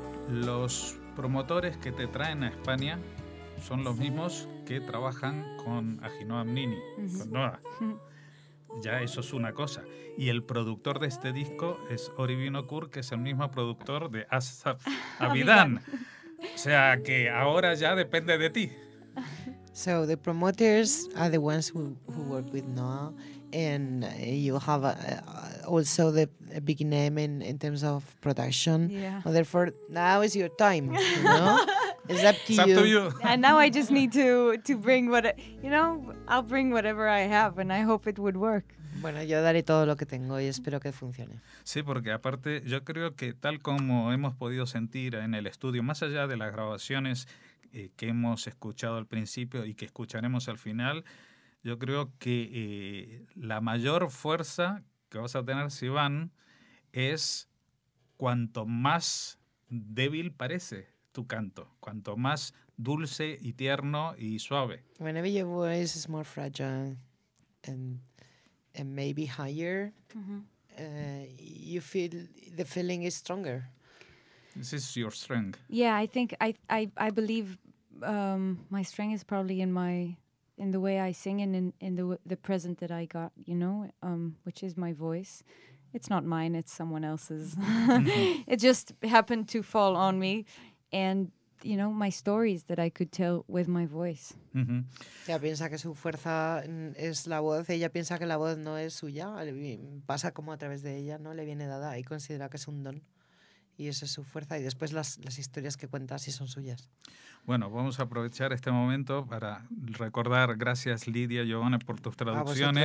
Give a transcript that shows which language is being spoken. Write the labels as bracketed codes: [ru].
[es] Los promotores que te traen a España son los mismos que trabajan con Ahinoam Nini, con Noah. Ya eso es una cosa. Y el productor de este disco es Ori Vinokur, que es el mismo productor de Asaf Avidan. O sea que ahora ya depende de ti. [en] So the promoters are the ones who work with Noah, and you have also the a big name in terms of production. Yeah. Well, therefore, now is your time. You know, it's up to you. And now I just need to bring what you know. I'll bring whatever I have, and I hope it would work. [es] Bueno, yo daré todo lo que tengo y espero que funcione. Sí, porque aparte yo creo que tal como hemos podido sentir en el estudio, más allá de las grabaciones que hemos escuchado al principio y que escucharemos al final, yo creo que la mayor fuerza que vas a tener, Sivan, es cuanto más débil parece tu canto, cuanto más dulce y tierno y suave. [en] Whenever your voice is more fragile and maybe higher, you feel the feeling is stronger. This is your strength. Yeah, I think I believe my strength is probably in the way I sing and in the present that I got, you know, which is my voice. It's not mine, it's someone else's. It just happened to fall on me. And, you know, my stories that I could tell with my voice. Mm-hmm. [es] Ella piensa que su fuerza es la voz. Ella piensa que la voz no es suya. Pasa como a través de ella, ¿no? Le viene dada y considera que es un don. y esa es su fuerza. Y después las historias que cuenta, si son suyas. Bueno, vamos a aprovechar este momento para recordar, gracias Lidia y Giovanna por tus traducciones.